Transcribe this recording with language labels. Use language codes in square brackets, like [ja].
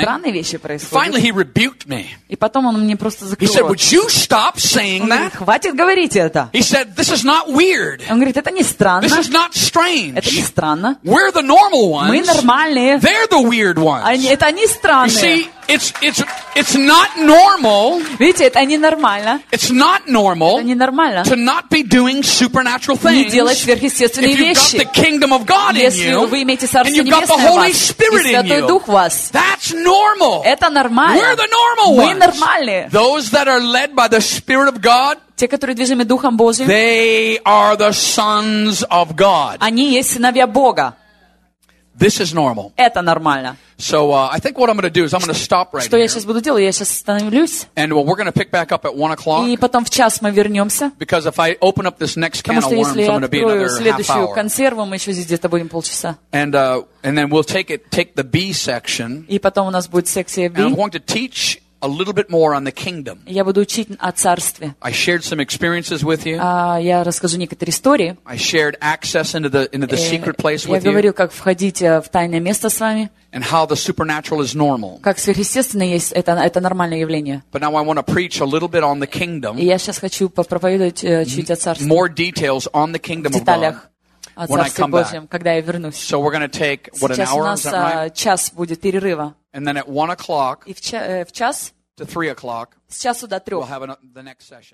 [ru] Странные вещи происходят. [en] Finally, he rebuked me. [ru] И потом он мне просто закрыл. [en] He said, "Would you stop saying that?" [ru] Хватит говорить это. [en] He said, "This is not weird." [ru] Он говорит, это не странно. [en] This is not strange. [ru] Это не странно. [en] We're the normal ones. [ru] Мы нормальные. [en] They're the weird ones. [ru] Они это не странные. [en] You see, it's not normal. [ru] Видите, это не нормально. [en] It's not normal. [ru] Это не нормально. [en] To not be doing supernatural things. [ru] Не делать сверхъестественные вещи. [en] If you've got the kingdom of God in you, [ru] если вы имеете Царство Небесное в вас, [en] and you've got the Holy Spirit in you, [ru] и Святой Дух в вас, [en] that's normal. [ru] Это нормально. [en] We're the normal ones. [ru] Мы нормальные. [en] Those that are led by the Spirit of God, [ru] те, которые движимы Духом Божьим, [en] they are the sons of God. [ru] Они есть сыновья Бога. [en] This is normal. [ru] Это нормально. [en] So I think what I'm going to do is I'm going to stop right [ru] что [en] here. [ru] Я сейчас буду делать? Я сейчас остановлюсь. [en] And well, we're going to pick back up at 1 o'clock. [ru] И потом в час мы вернемся. [en] Because if I open up this next can [ru] потому [en] of worms, I'm going to be another half hour. [ru] Следующую консерву мы еще здесь где-то будем полчаса. [en] And then we'll take the B section. [ru] И потом у нас будет секция B. [en] And I'm going to teach a little bit more on the kingdom. [ru] Я буду учить о царстве. [en] I shared some experiences with you. [ru] Я расскажу некоторые истории. [en] I shared access into the secret place with you. [ru] Я говорю, как входить в тайное место с вами. [en] And how the supernatural is normal. [ru] Как сверхъестественное есть это нормальное явление. [en] But now I want to preach a little bit on the kingdom. [ru] И я сейчас хочу проповедовать чуть о царстве. [en] More details on the kingdom of God. [ru] В деталях. [en] When I come back, [ru] когда я вернусь. [en] So we're going to take what [ru] Сейчас [en] an hour, [ru] у нас, [en] is that right? [ru] Час будет перерыва. [en] And then at 1 o'clock, [ru] в час, [en] to 3 o'clock, [ru] с часу до трех. [en] We'll have the next session.